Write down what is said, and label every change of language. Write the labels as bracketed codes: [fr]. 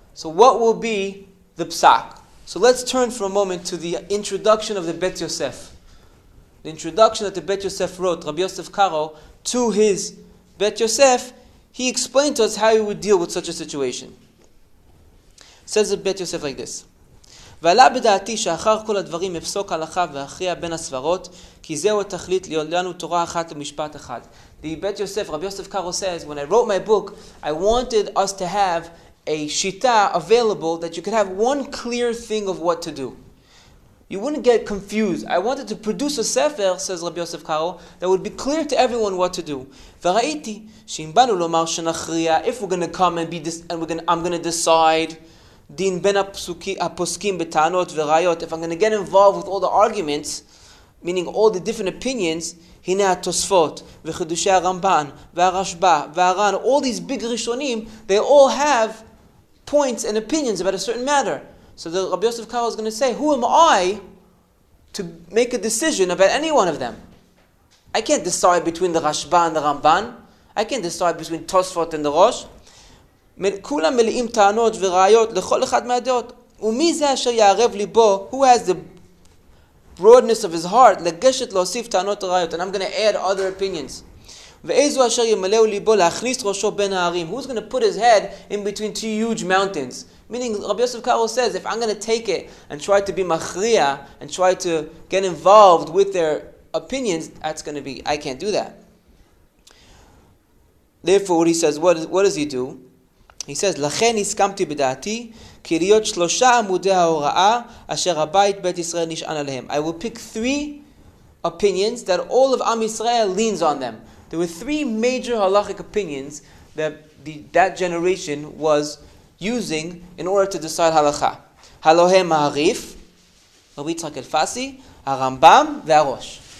[en] So what will be the Psak? So let's turn for a moment to the introduction of the Bet Yosef. The introduction that the Bet Yosef wrote, Rabbi Yosef Karo, to his Bet Yosef, he explained to us how he would deal with such a situation. Says the Bet Yosef like this. [he] ועלה בדעתי שאחר כל הדברים יפסוק הלכה ואחריע בין הסברות, כי זהו התכלית לנו תורה אחת למשפט אחד. [en] The Bet Yosef, Rabbi Yosef Karo says, when I wrote my book, I wanted us to have a shita available that you could have one clear thing of what to do. You wouldn't get confused. I wanted to produce a sefer, says Rabbi Yosef Karo, that would be clear to everyone what to do. [he] וראיתי שאם באנו לומר שנחריע, [en] if we're going to come and be I'm going to decide, [he] din ben ha-poskim betanot v'rayot, [en] if I'm going to get involved with all the arguments, meaning all the different opinions, hine ha-tosfot, v'chidushi ha-ramban, v'ha-rashba, v'ha-ran, all these big rishonim, they all have points and opinions about a certain matter. So the Rabbi Yosef Karo is going to say, who am I to make a decision about any one of them? I can't decide between the Rashba and the Ramban. I can't decide between Tosfot and the Rosh. [he] כולם מלאים טענות וראיות לכל אחד מהדעות. ומי זה אשר יערב ליבו? [en] Who has the broadness of his heart? [he] לגשת להוסיף טענות וראיות. [en] And I'm going to add other opinions. [he] ואיזו אשר ימלאו ליבו להכניס ראשו בין הערים. [en] Who's going to put his head in between two huge mountains? Meaning, Rabbi Yosef Karo says, if I'm going to take it and try to be מכריע and try to get involved with their opinions, that's going to be, I can't do that. Therefore, what he says, what does he do? He says, [he] לכן הסכמתי בדעתי כי להיות שלושה עמודי ההוראה אשר הבית בית ישראל נשען עליהם. [en] I will pick three opinions that all of Am Yisrael leans on them. There were three major halachic opinions that that generation was using in order to decide halacha. [he] Halohem Ma'arif, Rabbi Yitzhak Elfasi, Arambam, והראש.